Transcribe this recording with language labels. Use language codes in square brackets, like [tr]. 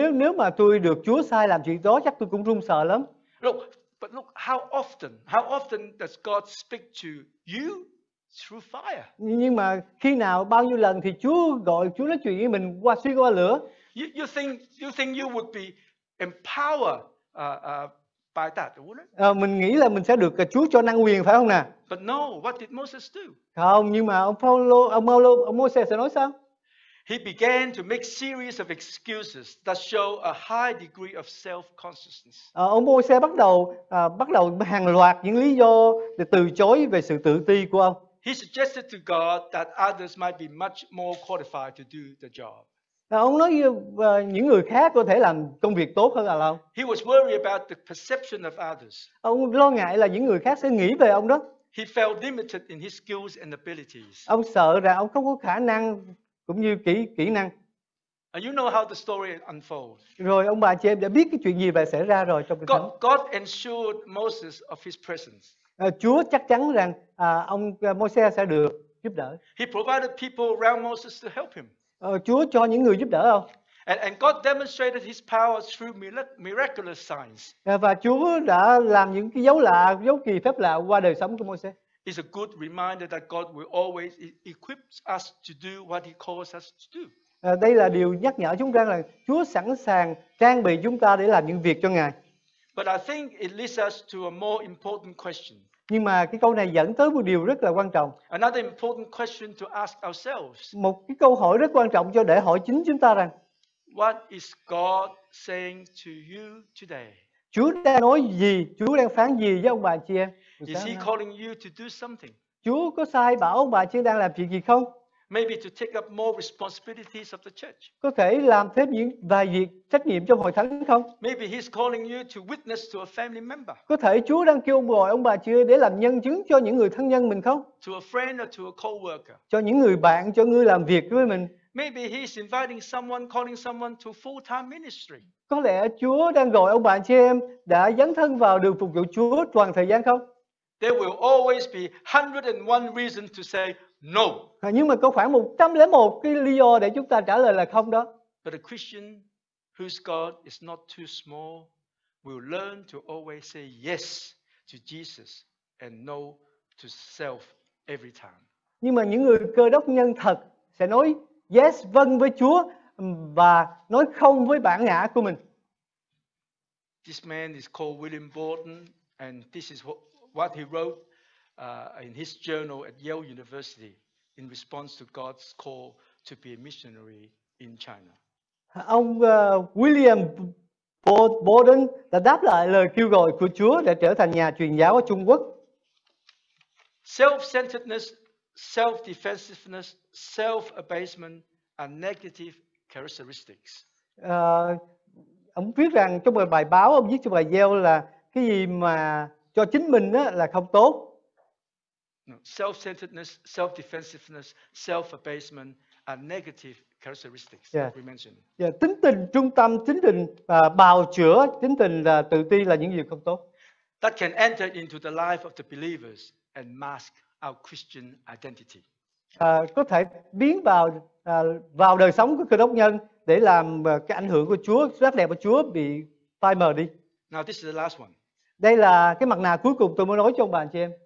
[vi] Nếu mà tôi được Chúa sai làm chuyện đó, chắc tôi cũng run sợ lắm. [en] But look, how often does God speak to you through fire? [vi] Nhưng mà khi nào, bao nhiêu lần thì Chúa gọi Chúa nói chuyện với mình qua xuyên qua lửa? [en] You think you would be empowered by that, wouldn't it? [vi] Mình nghĩ là mình sẽ được Chúa cho năng quyền phải không nè? [en] But no, what did Moses do? [vi] Không, nhưng mà ông Moses sẽ nói sao? [en] He began to make series of excuses that show a high degree of self-consciousness. [vi] Ông Moses bắt đầu hàng loạt những lý do để từ chối về sự tự ti của ông. [en] He suggested to God that others might be much more qualified to do the job. [vi] Ông nói những người khác có thể làm công việc tốt hơn là ông. [en] He was worried about the perception of others. [vi] Ông lo ngại là những người khác sẽ nghĩ về ông đó. [en] He felt limited in his skills and abilities. [vi] Ông sợ rằng ông không có khả năng cũng như kỹ năng. [en] And you know how the story unfolds. [vi] Rồi ông bà chị em đã biết cái chuyện gì và xảy ra rồi trong cái thánh. [en] God ensured Moses of His presence. [vi] Chúa chắc chắn rằng ông Moses sẽ được giúp đỡ. [en] He provided people around Moses to help him. [vi] Chúa cho những người giúp đỡ không? [en] And God demonstrated His power through miraculous signs. [vi] Và Chúa đã làm những cái dấu kỳ phép lạ qua đời sống của Moses. [en] It's a good reminder that God will always equip us to do what He calls us to do. [vi] Đây là điều nhắc nhở chúng ta là Chúa sẵn sàng trang bị chúng ta để làm những việc cho Ngài. [en] But I think it leads us to a more important question. [vi] Nhưng mà cái câu này dẫn tới một điều rất là quan trọng. [en] Another important question to ask ourselves. [vi] Một cái câu hỏi rất quan trọng cho để hỏi chính chúng ta rằng. [en] What is God saying to you today? [vi] Chúa đang nói gì? Chúa đang phán gì với ông bà chị em? [en] Is He calling you to do something? [vi] Chúa có sai bảo ông bà chị đang làm chuyện gì không? [en] Maybe to take up more responsibilities of the church. [vi] Có thể làm thêm những vài việc trách nhiệm trong hội thánh không? [en] Maybe he's calling you to witness to a family member. [vi] Có thể Chúa đang kêu gọi ông bà chị để làm nhân chứng cho những người thân nhân mình không? [en] To a friend or to a coworker. [vi] Cho những người bạn, cho người làm việc với mình. [en] Maybe he's inviting someone, calling someone to full-time ministry. [vi] Có lẽ Chúa đang gọi ông bà chị em đã dấn thân vào đường phục vụ Chúa toàn thời gian không? [en] There will always be 101 reasons to say no. [vi] Nhưng mà có khoảng 101 cái lý do để chúng ta trả lời là không đó. [en] But a Christian whose God is not too small will learn to always say yes to Jesus and no to self every time. [vi] Nhưng mà những người Cơ Đốc nhân thật sẽ nói yes vâng với Chúa và nói không với bản ngã của mình. [en] This man is called William Borden and this is what he wrote in his journal at Yale University in response to God's call to be a missionary in China. [vi] Ông William Borden đã đáp lại lời kêu gọi của Chúa để trở thành nhà truyền giáo ở Trung Quốc. [en] Self-centeredness, self-defensiveness, self-abasement are negative characteristics. [vi] Ông viết rằng trong một bài báo ông viết cho bài Yale là cái gì mà cho chính mình á là không tốt. [en] Self-centeredness, self-defensiveness, self-abasement are negative characteristics that we mentioned. [vi] Yeah, tính tình trung tâm, tính tình bào chữa, tính tình là tự ti là những điều không tốt. [en] That can enter into the life of the believers and mask our Christian identity. [vi] Có thể biến vào vào đời sống của Cơ Đốc nhân để làm cái ảnh hưởng của Chúa, sắc đẹp của Chúa bị phai mờ đi. [en] Now this is the last one. [vi] Đây là cái mặt nạ cuối cùng tôi muốn nói cho ông bà anh chị em.